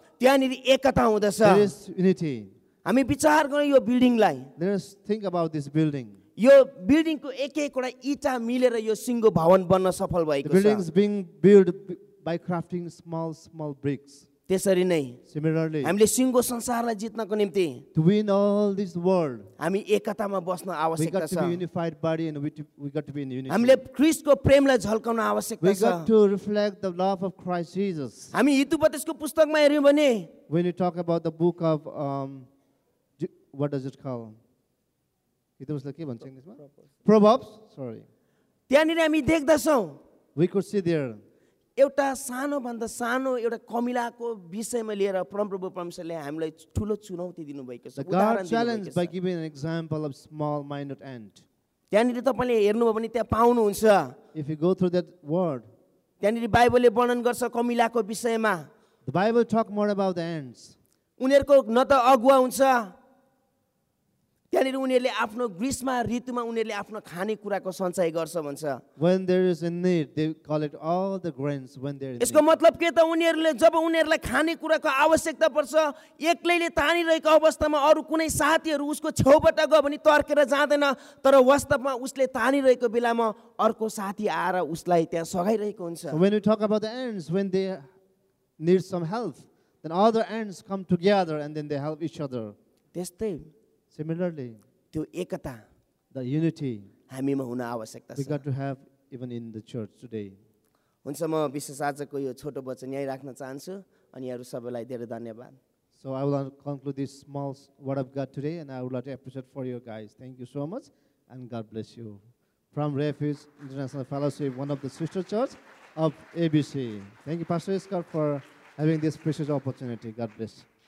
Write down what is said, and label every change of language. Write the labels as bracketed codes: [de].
[ne] त्यहाँनिर एकता हुँदछ [en] there is unity. [ne] हामी विचार गर्यौँ यो बिल्डिङलाई [en] let us think about this building. [ne] यो बिल्डिङको एक एकवटा इँटा मिलेर यो सिङ्गो भवन बन्न सफल भएको छ. [en] The building is being built by crafting small small bricks. [ne] त्यसरी नै [en] similarly [ne] हामीले सिङ्गो संसारलाई जित्नको निम्ति [en] to win all this world [ne] हामी एकतामा बस्न आवश्यकता छ. [en] We got to be unified body and we got to be in unity. [ne] हामीले क्रिस्टको प्रेमलाई झल्काउन आवश्यकता छ. [en] We got to reflect the love of Christ Jesus. [ne] हामी हितुपदेशको पुस्तकमा हेर्यौं भने [en] when you talk about the book of what does it call [ne] हितुपदेश के भन्छ इंग्लिशमा [en] Proverbs sorry [ne] त्यहाँनिर हामी देख्दछौ [en] we could see there [ne] एउटा सानोभन्दा सानो एउटा कमिलाको विषयमा लिएर परमप्रभु परमेश्वरले हामीलाई ठुलो चुनौती दिनुभएको छ. [en] God challenged by giving an example of small-minded ant. [ne] त्यहाँनिर तपाईँले हेर्नुभयो भने त्यहाँ पाउनुहुन्छ [en] If you go through that word, [ne] त्यहाँनिर बाइबलले वर्णन गर्छ कमिलाको विषयमा [en] The Bible talk more about the ants. [ne] उनीहरूको न त अगुवा हुन्छ त्यहाँनिर उनीहरूले आफ्नो ग्रीष्म ऋतुमा उनीहरूले आफ्नो खानेकुराको सञ्चय गर्छ भन्छ. [en] When there is a need, they collect all the grains when there is [ne] यसको मतलब के त उनीहरूले जब उनीहरूलाई खानेकुराको आवश्यकता पर्छ एक्लैले तानिरहेको अवस्थामा अरू कुनै साथीहरू उसको छेउबाट गयो भने तर्केर जाँदैन तर वास्तवमा उसले तानिरहेको बेलामा अर्को साथी आएर उसलाई त्यहाँ सघाइरहेको हुन्छ. [en] When we talk about the ants, when they need some help, then all the ants come together and then they help each other. [ne] त्यस्तै [en] Similarly, [ne] त्यो एकता [en] the unity [ne] हामीमा हुन आवश्यकता छ. [en] We got to have even in the church today. [ne] हुन्छ म विशेष आजको यो छोटो वचन यहीँ राख्न चाहन्छु अनि यहाँहरू सबैलाई धेरै धन्यवाद. [en] So I will conclude this small word of God today and I would like to appreciate for you guys. Thank you so much and God bless you. From Refuge International Fellowship, one of the sister churches. of ABC. Thank you, Pastor Iskar, for having this precious opportunity. God bless.